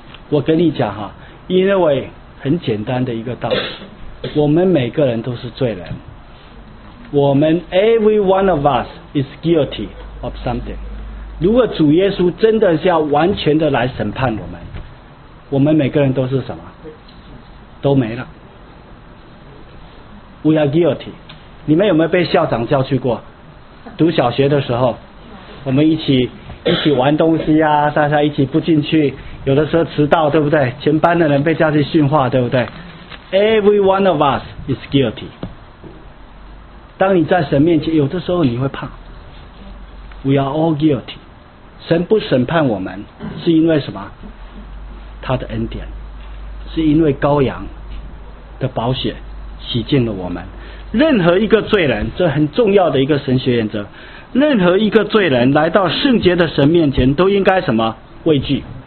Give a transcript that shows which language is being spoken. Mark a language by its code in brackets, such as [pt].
[zh] 我跟你讲哈，因为很简单的一个道理，我们每个人都是罪人，我们 [en] every one of us is guilty of something。 [zh] 如果主耶稣真的是要完全的来审判我们，我们每个人都是什么？都没了， [en] we are guilty。 [zh] 你们有没有被校长叫去过？读小学的时候，我们一起玩东西啊，大家一起不进去，有的时候迟到对不对？全班的人被叫去训话对不对？ [en] Every one of us is guilty。 [zh] 当你在神面前，有的时候你会怕， [en] We are all guilty。 [zh] 神不审判我们是因为什么？他的恩典，是因为羔羊的宝血洗净了我们。任何一个罪人，这很重要的一个神学原则，任何一个罪人来到圣洁的神面前都应该什么？畏惧。